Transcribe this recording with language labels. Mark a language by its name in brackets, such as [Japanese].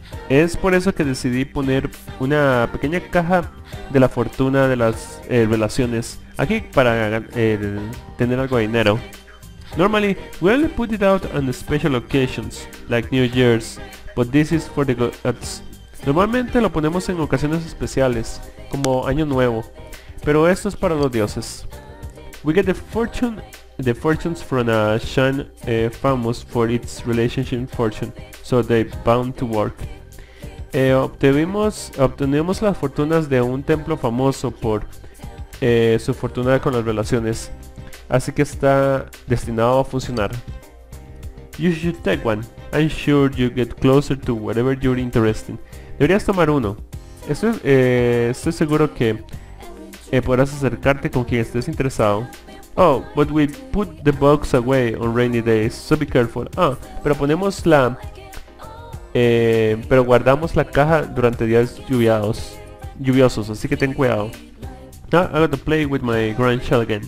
[Spanish] Es por eso que decidí poner una pequeña caja de la fortuna de las relaciones aquí para tener algo de dinero. [English] Normally, we only put it out on special occasions, like New Year's, but this is for the gods. [Spanish] Normalmente lo ponemos en ocasiones especiales, como Año Nuevo, pero esto es para los dioses. [English] We get the fortunes from a shrine famous for its relationship fortune, so they're bound to work. [Spanish] Obtenemos las fortunas de un templo famoso por su fortuna con las relaciones, así que está destinado a funcionar. [English] You should take one. I'm sure you get closer to whatever you're interested in. [Spanish] Deberías tomar uno. Estoy seguro que podrás acercarte con quien estés interesado. [English] Oh, but we put the box away on rainy days, so be careful. [Spanish] Ah, pero ponemos la... pero guardamos la caja durante días lluviosos, así que ten cuidado. [English] Now I got to play with my grandchild again.